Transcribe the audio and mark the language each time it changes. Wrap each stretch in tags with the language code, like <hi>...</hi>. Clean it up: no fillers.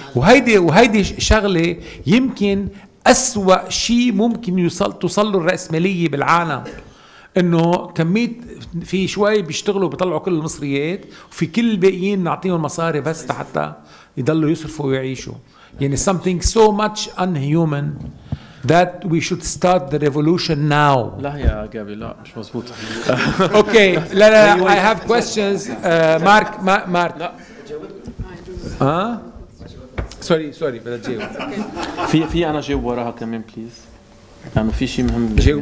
<ar>وهيدي شغله يمكن أسوأ شيء ممكن توصل له الرأسمالية بالعالم، انه كمية في شوي بيشتغلوا بيطلعوا كل المصريات، وفي كل الباقيين نعطيهم مصاري بس حتى يضلوا يصرفوا ويعيشوا.</ar> <en>يعني something so much unhuman that we should start the revolution now.</en> <ar>لا يا جابي لا مش مزبوط. اوكي لا لا</ar> <en>I have questions.</en> <ar>مارك مارك سوري بدأت جاوب. في انا جاوب وراها كمان بليز، لأنه في شيء مهم.</ar>